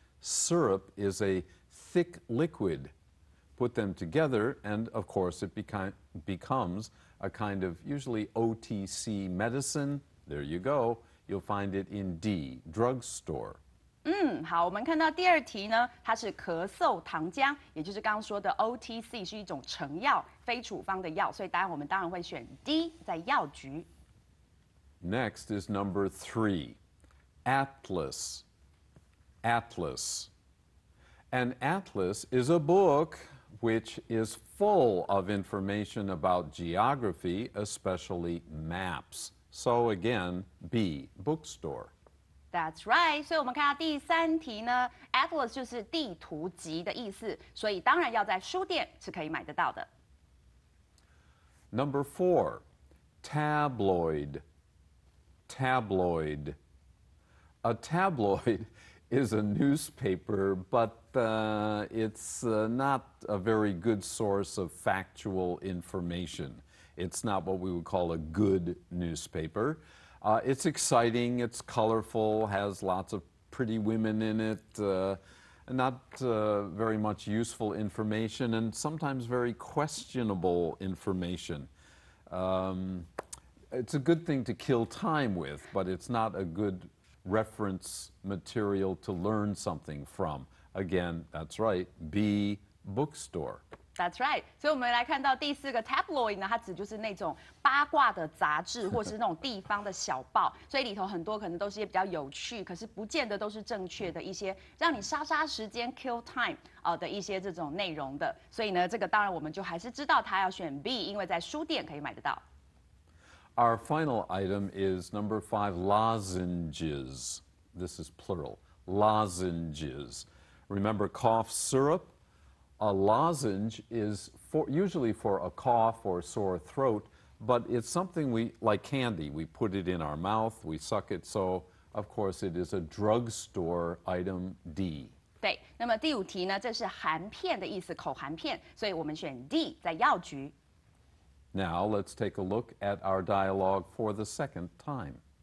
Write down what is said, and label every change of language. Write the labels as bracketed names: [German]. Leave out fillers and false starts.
[English] Syrup is a thick liquid. Put them together, and of course, it becomes a kind of usually OTC medicine. There you go. You'll find it in D, drugstore. [Chinese] 嗯，好，我们看到第二题呢，它是咳嗽糖浆，也就是刚刚说的 OTC 是一种成药，非处方的药，所以答案我们当然会选 D, 在药局。 [English] Next is number three, atlas. Atlas. An atlas is a book. Which is full of information about geography, especially maps. So again, B, bookstore. That's right. [Chinese] 所以我们看到第三题呢 ，Atlas 就是地图集的意思，所以当然要在书店是可以买得到的。 [English] Number four, tabloid. Tabloid. A tabloid is a newspaper, but. It's not a very good source of factual information. It's not what we would call a good newspaper. It's exciting, it's colorful, has lots of pretty women in it, very much useful information, and sometimes very questionable information. It's a good thing to kill time with, but it's not a good reference material to learn something from.Again, that's right, B, bookstore. That's right. [Chinese] 所以我们来看到第四个 tabloid 呢，它指就是那种八卦的杂志或是那种地方的小报，所以里头很多可能都是一些比较有趣，可是不见得都是正确的一些让你杀杀时间 [English] kill time [Chinese] 的一些这种内容的。所以呢，这个当然我们就还是知道它要选 B， 因为在书店可以买得到。 [English] Our final item is number 5, lozenges. This is plural, lozenges. Remember cough syrup? A lozenge is usually for a cough or a sore throat, but it's something we, like candy, we put it in our mouth, we suck it, so of course it is a drugstore item D. [Chinese] 对，那么第五题呢，这是含片的意思，口含片，所以我们选 D, 在药局。 [English] Now, let's take a look at our dialogue for the second time.